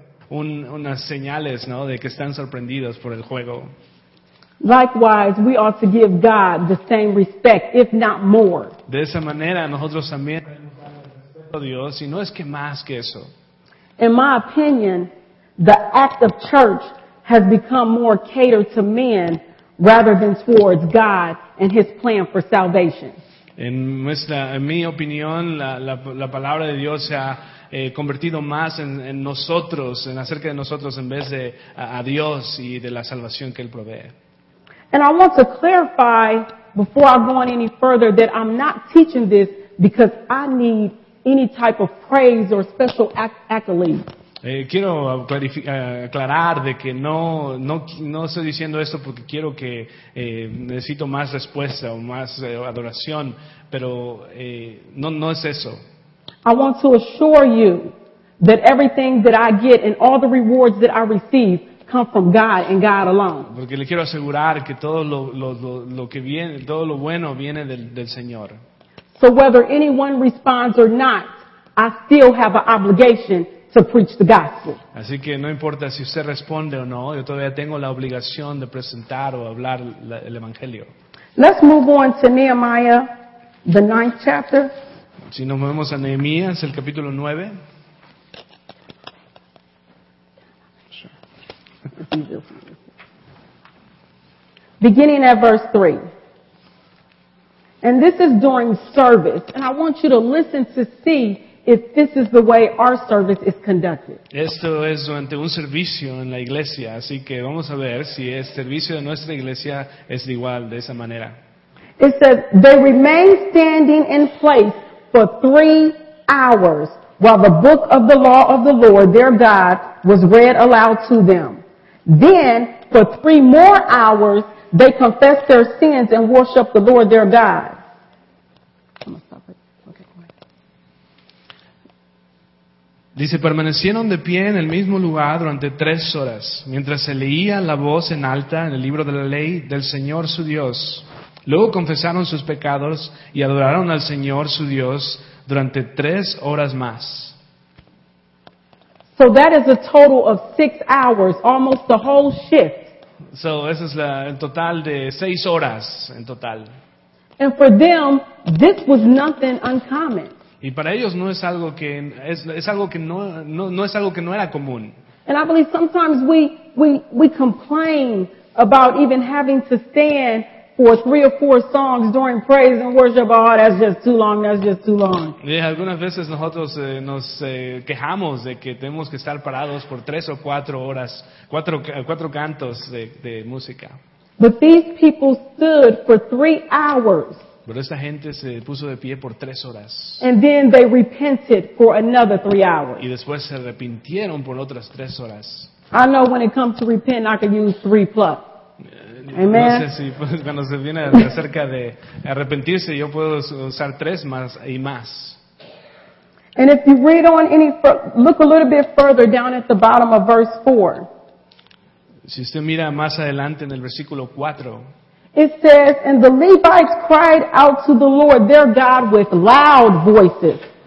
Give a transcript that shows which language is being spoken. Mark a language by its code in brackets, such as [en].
[es] Unas señales, ¿no?, de que están sorprendidos por el juego. [en] Likewise, we ought to give God the same respect, if not more. [es] De esa manera, nosotros también respetamos a Dios, y no es que más que eso. [en] In my opinion, the act of church has become more catered to men rather than towards God and His plan for salvation. [es] En mi opinión, la palabra de Dios se ha convertido más en nosotros, en acerca de nosotros, en vez de a Dios y de la salvación que Él provee. [en] And I want to clarify before I go on any further that I'm not teaching this because I need any type of praise or special accolade. [es] Quiero aclarar de que no estoy diciendo esto porque quiero que necesito más respuesta o más adoración, pero no es eso. [en] I want to assure you that everything that I get and all the rewards that I receive come from God and God alone. [es] Porque le quiero asegurar que todo lo que viene, todo lo bueno viene del Señor. [en] So whether anyone responds or not, I still have an obligation to preach the gospel. [es] Así que no importa si usted responde o no, yo todavía tengo la obligación de presentar o hablar el evangelio. [en] Let's move on to Nehemiah, the 9th chapter. [es] Si nos movemos a Nehemías, el capítulo 9. [en] Beginning at verse 3. And this is during service. And I want you to listen to see if this is the way our service is conducted. [es] Esto es durante un servicio en la iglesia. Así que vamos a ver si el servicio de nuestra iglesia es igual de esa manera. [en] It says, they remain standing in place for 3 hours while the book of the law of the Lord, their God, was read aloud to them. Then, for 3 more hours, they confess their sins and worship the Lord their God. I'm gonna stop it. Okay, go ahead. [es] Dice, permanecieron de pie en el mismo lugar durante 3 horas, mientras se leía la voz en alta en el libro de la ley del Señor su Dios. Luego confesaron sus pecados y adoraron al Señor su Dios durante 3 horas más. [en] So that is a total of 6 hours, almost the whole shift. [es] So esa es el total de 6 horas en total. [en] And for them, this was nothing uncommon. [es] Y para ellos no es algo que es algo que no es algo que no era común. [en] And I believe sometimes we complain about even having to stand for 3 or 4 songs during praise and worship. Oh, that's just too long, that's just too long. [es] Y algunas veces nosotros nos quejamos de que tenemos que estar parados por 3 o 4 horas, cuatro cantos de música. [en] But these people stood for 3 hours. [es] Pero esta gente se puso de pie por 3 horas. [en] And then they repented for another 3 hours. [es] Y después se arrepintieron por otras 3 horas. [en] I know when it comes to repent, I can use 3+. Amen. [es] No sé si cuando se viene acerca de arrepentirse, yo puedo usar 3 más y más. [en] And if you read on any look a little bit further down at the bottom of verse 4. [es] Si usted mira más adelante en el versículo 4. [en] It says, and the Levites cried out to the Lord, their God, with loud voices.